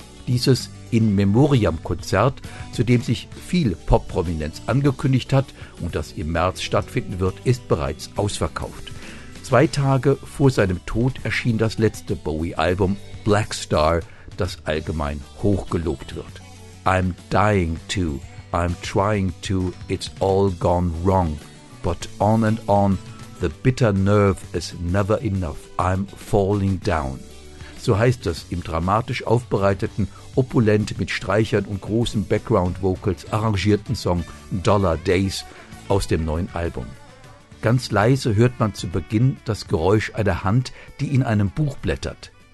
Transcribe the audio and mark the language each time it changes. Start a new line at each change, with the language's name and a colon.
German: Dieses In-Memoriam-Konzert, zu dem sich viel Pop-Prominenz angekündigt hat und das im März stattfinden wird, ist bereits ausverkauft. Zwei Tage vor seinem Tod erschien das letzte Bowie-Album Black Star, das allgemein hochgelobt wird.
English: I'm dying to, I'm trying to, it's all gone wrong, but on and on, the bitter nerve is never enough, I'm falling down.
German: So heißt es im dramatisch aufbereiteten, opulent mit Streichern und großen Background-Vocals arrangierten Song Dollar Days aus dem neuen Album. Ganz leise hört man zu Beginn das Geräusch einer Hand, die in einem Buch blättert.